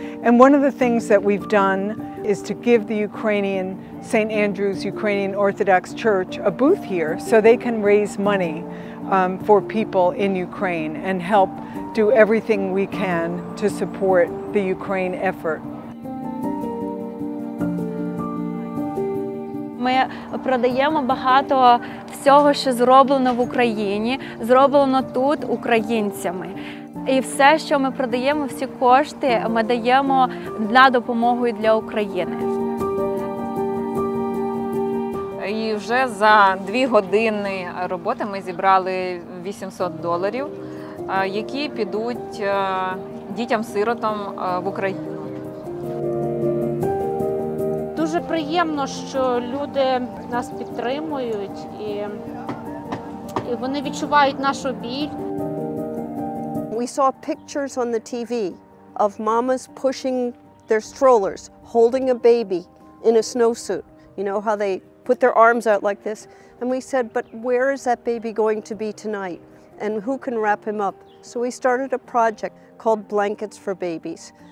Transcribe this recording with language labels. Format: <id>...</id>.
<en>And one of the things that we've done is to give the Ukrainian St. Andrew's Ukrainian Orthodox Church a booth here so they can raise money for people in Ukraine and help do everything we can to support the Ukraine effort.</en> <uk>Ми продаємо багато всього, що зроблено в Україні, зроблено тут українцями. І все, що ми продаємо, всі кошти, ми даємо на допомогу для України. І вже за 2 години роботи ми зібрали $800, які підуть дітям-сиротам в Україну. Дуже приємно, що люди нас підтримують і вони відчувають нашу біль.</uk> <en>We saw pictures on the TV of mamas pushing their strollers, holding a baby in a snowsuit. You know how they put their arms out like this? And we said, but where is that baby going to be tonight? And who can wrap him up? So we started a project called Blankets for Babies.</en>